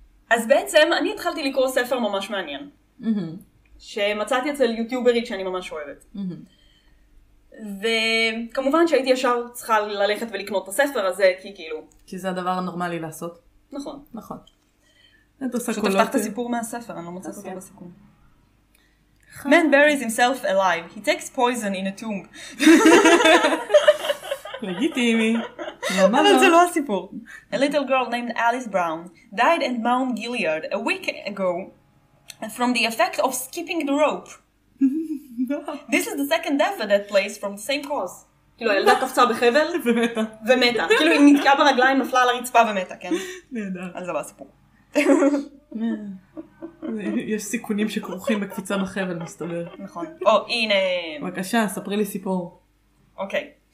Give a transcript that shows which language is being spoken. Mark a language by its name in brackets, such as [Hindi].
[Hebrew] אז בעצם, אני התחלתי לקרוא ספר ממש מעניין. שמצאתי אצל יוטיוברית שאני ממש אוהבת. וכמובן שהייתי ישר צריכה ללכת ולקנות את הספר הזה, כי כאילו... כי זה הדבר הנורמלי לעשות. נכון. נכון. שתפתח את הסיפור מהספר, אני לא מוצאת אותו בסיכום. [English] Man buries himself alive. He takes poison in a tomb. [Hebrew] לגיטימי. אבל זה לא הסיפור. [English] A little girl named Alice Brown died in Mount Gilead a week ago from the effect of skipping the rope. This is the second death at that place from the same cause. [Hebrew] כאילו, הילדה קפצה בחבל ומתה. כאילו, היא נתקעה ברגליים, נפלה על הרצפה ומתה, כן? נהדר. אז זה לא הסיפור. יש סיכונים שכרוכים בקפיצה בחבל, מסתבר. נכון. או, הנה... בבקשה, ספרי לי סיפור. אוקיי.